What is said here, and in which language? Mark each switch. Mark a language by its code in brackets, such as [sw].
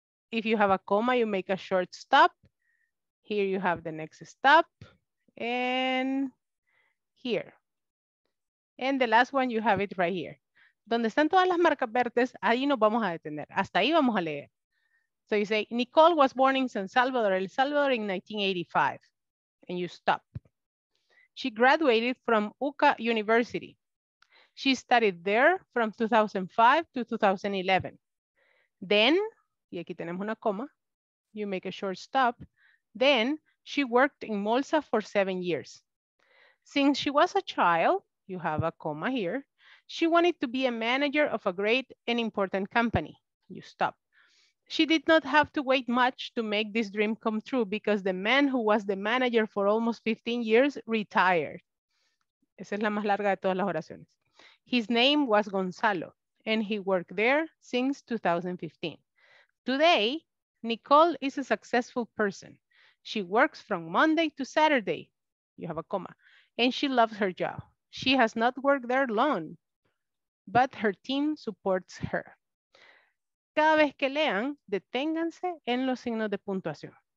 [en] If you have a comma, you make a short stop. Here you have the next stop and here. And the last one, you have it right here. [es] Donde están todas las marcas verdes, ahí nos vamos a detener. Hasta ahí vamos a leer. [en] So you say, Nicole was born in San Salvador, El Salvador in 1985. And you stop. She graduated from UCA University. She studied there from 2005 to 2011. Then, [es] y aquí tenemos una coma, [en] you make a short stop. Then she worked in Molsa for 7 years. Since she was a child, you have a comma here. She wanted to be a manager of a great and important company. You stop. She did not have to wait much to make this dream come true because the man who was the manager for almost 15 years retired. [es] Esa es la más larga de todas las oraciones. [en] His name was Gonzalo and he worked there since 2015. Today, Nicole is a successful person. She works from Monday to Saturday. You have a comma. And she loves her job. She has not worked there long, but her team supports her. [es] Cada vez que lean, deténganse en los signos de puntuación.